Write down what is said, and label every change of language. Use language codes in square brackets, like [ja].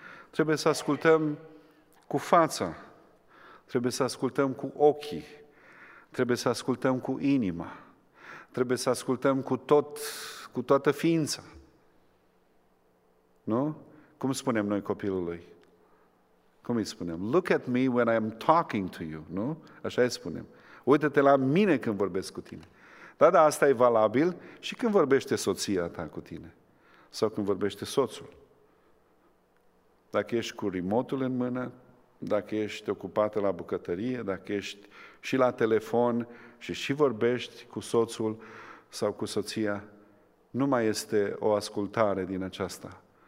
[ro] Trebuie să ascultăm cu fața, trebuie să ascultăm cu ochii, trebuie să ascultăm cu inima. trebuie să ascultăm cu toată ființa. Nu? Cum spunem noi copilului? Cum îi spunem? [en] Look at me when I am talking to you, nu? [ro] Așa îi spunem. Uită-te la mine când vorbesc cu tine. Da, asta e valabil și când vorbește soția ta cu tine. Sau când vorbește soțul. Dacă ești cu remote-ul în mână, dacă ești ocupată la bucătărie, dacă ești și la telefon și vorbești cu soțul sau cu soția, nu mai este o ascultare din aceasta.